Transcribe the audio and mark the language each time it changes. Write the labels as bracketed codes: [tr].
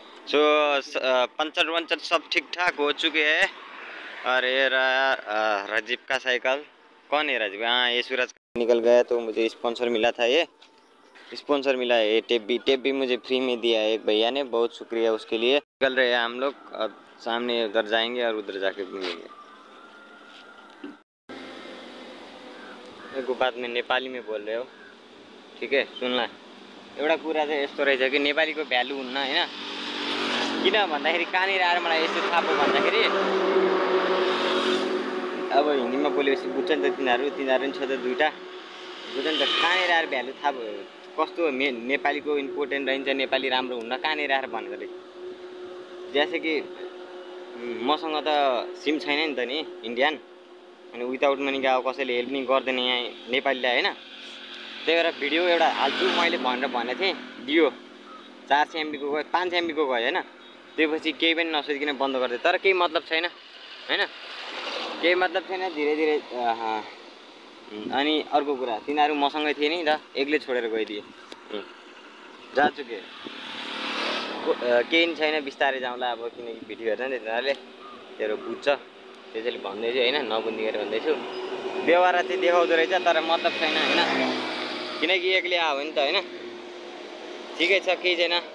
[hi] सो puncture वंचर सब ठीक ठाक हो चुके हैं और ये राजीव का साइकिल, कौन है राजीव, हाँ ये सूरज निकल गया, तो मुझे स्पॉन्सर मिला था, ये स्पॉन्सर मिला है, ये टेप भी मुझे फ्री में दिया है एक भैया ने, बहुत शुक्रिया उसके लिए। निकल रहे हैं हम लोग, अब सामने उधर जाएंगे और उधर जाके घूमेंगे। एक बात में नेपाली में बोल रहे हो, ठीक है सुन ला, [ne] एउटा कुरा चाहिँ यस्तो रहेछ कि नेपालीको भ्यालु हुन्न होइन, किन भन्दाखेरि कहाँनिर आएर मलाई यस्तो थाहा पाऊ भन्दाखेरि, अब हिन्दीमा बोलेपछि बुझ्छ नि त तिनीहरू, तिनीहरू पनि छ त दुइटा, बुझ्यो नि त कहाँनिर आएर भ्यालु थाहा भयो, कस्तो नेपालीको इम्पोर्टेन्ट रहन्छ, नेपाली राम्रो हुन्न कहाँनिर आएर भनेकोले, [hi] जैसे कि [ne] मसँग त सिम छैन नि त नि इन्डियन, अनि विदाउट मनी के अब कसैले हेल्प नि गर्दैन यहाँ नेपालीले हैन, त्यही भएर भिडियो एउटा हाल्छु मैले भनेर भनेको थिएँ, दियो 400 MB को गयो, 500 MB को गयो होइन, त्योपछि केही पनि नसोधिकन बन्द गरिदियो, तर केही मतलब छैन होइन, केही मतलब छैन, [hi] धीरे धीरे। [ne] अनि अर्को कुरा, तिनीहरू मसँगै थिए नि त, एक्लै छोडेर गइदिए, [hi] जा चुके, [ne] केही छैन, बिस्तारै जाउँला अब, किनकि भिडियो हेर्छ नि तिनीहरूले, तेरो बुझ्छ त्यसैले भन्दैछु होइन, नबुझिकन भन्दैछु, व्यवहार चाहिँ देखाउँदो रहेछ तर मतलब छैन होइन, किनकि एक्लै आयो नि त होइन, ठिकै छ, केही छैन,